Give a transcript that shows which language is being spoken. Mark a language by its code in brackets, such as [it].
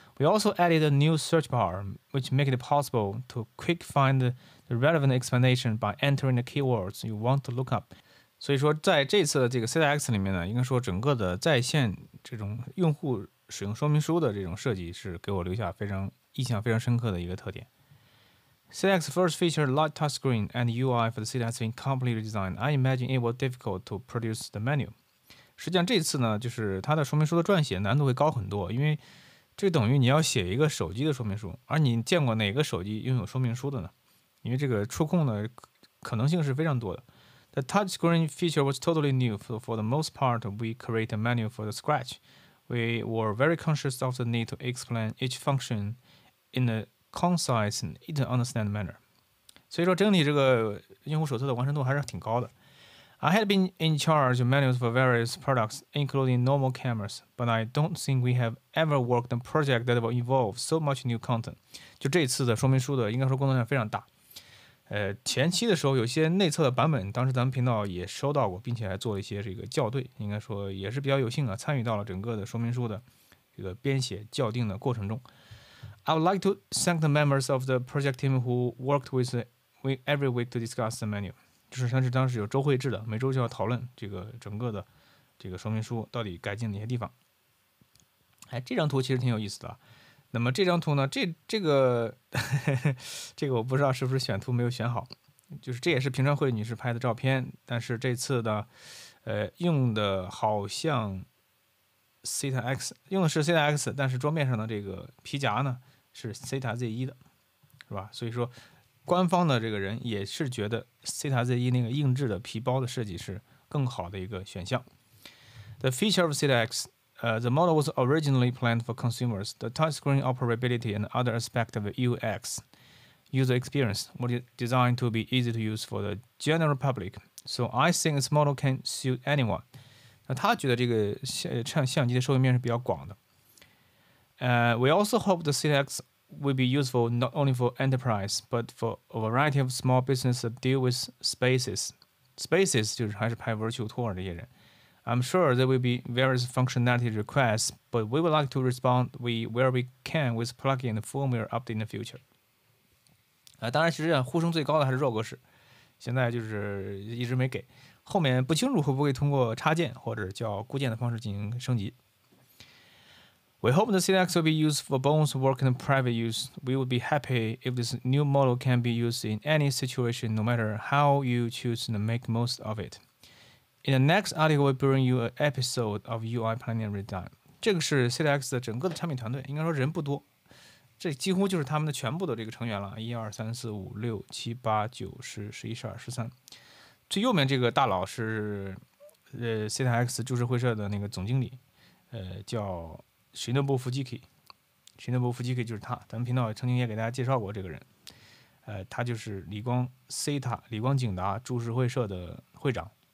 [en] We also added a new search bar, which make it possible to quick find the relevant explanation by entering the keywords you want to look up. [zh] 所以说在这次的这个 THETA X 里面呢，应该说整个的在线这种用户使用说明书的这种设计是给我留下非常印象非常深刻的一个特点。 [en] THETA X first featured light touchscreen and UI for the THETA X completely designed. I imagine it was difficult to produce the menu. [zh] 实际上这次呢，就是它的说明书的撰写难度会高很多，因为这等于你要写一个手机的说明书，而你见过哪个手机拥有说明书的呢？因为这个触控的可能性是非常多的。 [en] The touchscreen feature was totally new. For the most part, we create a menu from scratch. We were very conscious of the need to explain each function in a concise and easy to understand manner. [zh] 所以说整体这个用户手册的完成度还是挺高的。 [en] I had been in charge of menus for various products, including normal cameras, but I don't think we have ever worked on a project that will involve so much new content. [zh] 就这次的说明书的应该说工作量非常大。前期的时候有些内测的版本当时咱们频道也收到过，并且还做了一些这个校对，应该说也是比较有幸啊参与到了整个的说明书的这个编写校订的过程中。 [en] I would like to thank the members of the project team who worked with me every week to discuss the menu. [zh] 就是像是当时有周会制的，每周就要讨论这个整个的这个说明书到底改进哪些地方。哎，这张图其实挺有意思的。那么这张图呢，这个我不知道是不是选图没有选好，就是这也是平川惠女士拍的照片，但是这次的用的好像 THETA X， 用的是 THETA X， 但是桌面上的这个皮夹呢是 THETA Z1 的，是吧？所以说官方的这个人也是觉得 THETA Z1 那个硬质的皮包的设计是更好的一个选项。 [en] The feature of THETA X, the model was originally planned for consumers. The touchscreen operability and other aspects of UX user experience were designed to be easy to use for the general public. So I think this model can suit anyone. [zh] 那他觉得这个相机的受益面是比较广的。 [en] We also hope the THETA Xwill be useful not only for enterprise, but for a variety of small businesses that deal with spaces. [zh] Spaces 就是还是拍 virtual tour 这些人。 [en] I'm sure there will be various functionality requests, but we would like to respond where we can with plugin and firmware update in the future. [zh] 当然其实呼声最高的还是 Rogue 式，现在就是一直没给，后面不清楚会不会通过插件或者叫固件的方式进行升级。 [en] We hope the THETA X will be used for both work and private use. We would be happy if this new model can be used in any situation, no matter how you choose to make most of it. In the next article, we'll bring you an episode of UI Planning Redesign. [zh] 这个是 THETA X 的整个的产品团队，应该说人不多，这几乎就是他们的全部的这个成员了，1234567891011121213。最右面这个大佬是THETA X 株式会社的那个总经理，叫Shinobu Fujiki， Shinobu Fujiki 就是他，咱们频道曾经也给大家介绍过这个人，他就是李光 THETA 李光景达株式会社的会长。